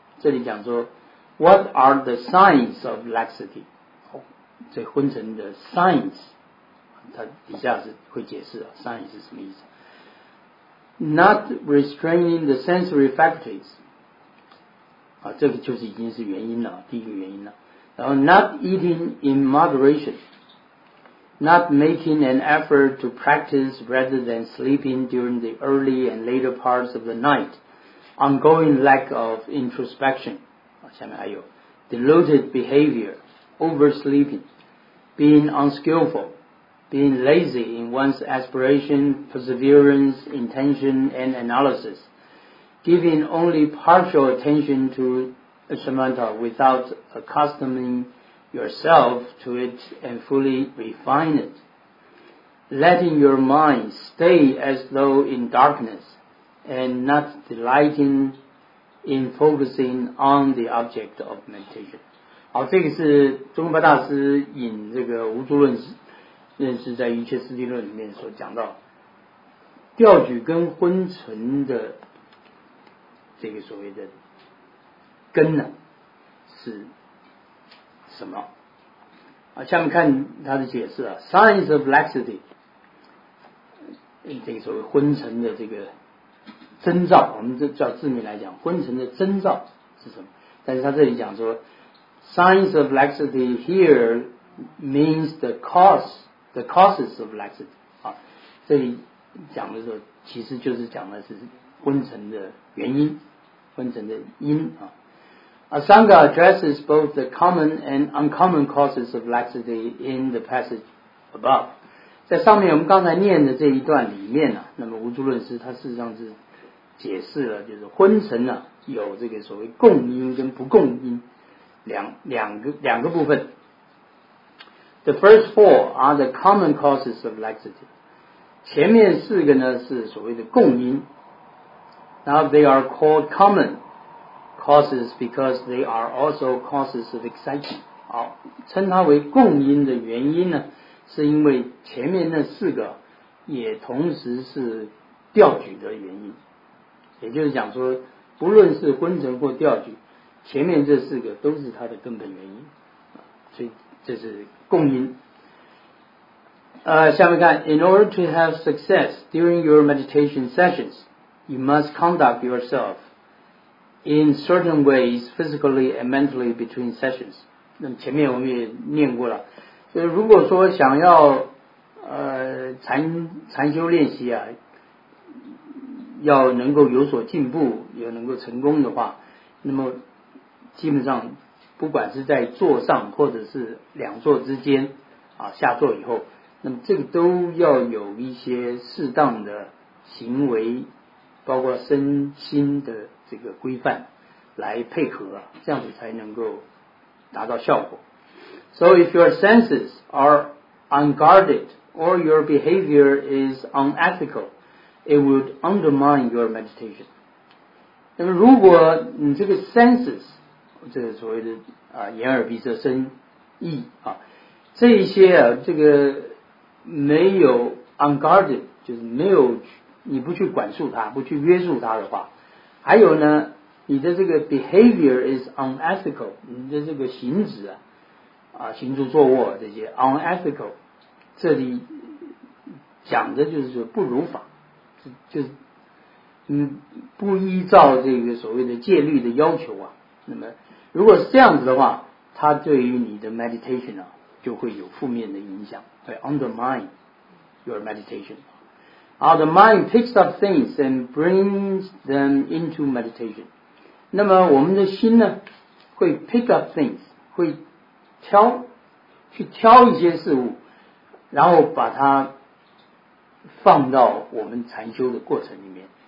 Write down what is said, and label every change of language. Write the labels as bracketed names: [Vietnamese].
[Chinese] 这里讲说 [English] What are the signs of laxity， [Chinese] 这昏沉的 signs，他底下是会解释、啊、sign 是什么意思。 [English] Not restraining the sensory faculties、 [Chinese] 啊、这个就是已经是原因了，第一个原因了。然后 [English] Not eating in moderation， Not making an effort to practice rather than sleeping during the early and later parts of the night， Ongoing lack of introspection、啊、 [Chinese] 下面还有 [English] Deluded behavior， Oversleeping， Being unskillfulBeing lazy in one's aspiration, perseverance, intention, and analysis. Giving only partial attention to a samatha without accustoming yourself to it and fully refine it. Letting your mind stay as though in darkness and not delighting in focusing on the object of meditation. [Chinese] 好，这个是中巴大师引这个无著论师认识在瑜伽师地论里面所讲到吊举跟昏沉的这个所谓的根呢是什么、啊、下面看他的解释、啊、 [English] Signs of laxity， [Chinese] 这个所谓昏沉的这个征兆，我们这叫字面来讲昏沉的征兆是什么。但是他这里讲说 [English] Signs of laxity here means the causes of laxity、啊、 [Chinese] 这里讲的时候其实就是讲的是昏沉的原因，昏沉的因、 [English] 啊、Asanga addresses both the common and uncommon causes of laxity in the passage above。 [Chinese] 在上面我们刚才念的这一段里面、啊、那么无著论师他事实上是解释了就是昏沉、啊、有这个所谓共因跟不共因 两个部分。 [English] The first four are the common causes of laxity. [Chinese] 前面四个呢是所谓的共因。 [English] Now they are called common causes because they are also causes of excitement. [Chinese] 好，称它为共因的原因呢，是因为前面那四个也同时是吊举的原因。也就是讲说，不论是昏沉或吊举，前面这四个都是它的根本原因。所以这是共因。下面看 [English] In order to have success during your meditation sessions, you must conduct yourself in certain ways physically and mentally between sessions. [Chinese] 那么前面我们也念过了，所以如果说想要禅修练习啊，要能够有所进步，也能够成功的话，那么基本上不管是在坐上或者是两坐之间啊，下坐以后，那么这个都要有一些适当的行为，包括身心的这个规范来配合，这样子才能够达到效果。 [English] So if your senses are unguarded or your behavior is unethical, it would undermine your meditation. [Chinese] 那么如果你这个 senses这个所谓的啊，眼耳鼻舌身意啊，这一些啊，这个没有 unguarded， 就是没有你不去管束它，不去约束它的话，还有呢，你的这个 [English] behavior is unethical， [Chinese] 你的这个行止啊，啊，行住坐卧这些 unethical， 这里讲的就是说不如法，就是嗯，不依照这个所谓的戒律的要求啊，那么。如果是这样子的话，它对于你的 meditation 啊，就会有负面的影响，会 undermine [English] your meditation. The mind picks up things and brings them into meditation. [Chinese] 那么我们的心呢会 [English] pick up things, [Chinese] 会去挑一些事物，然后把它放到我们禅修的过程里面。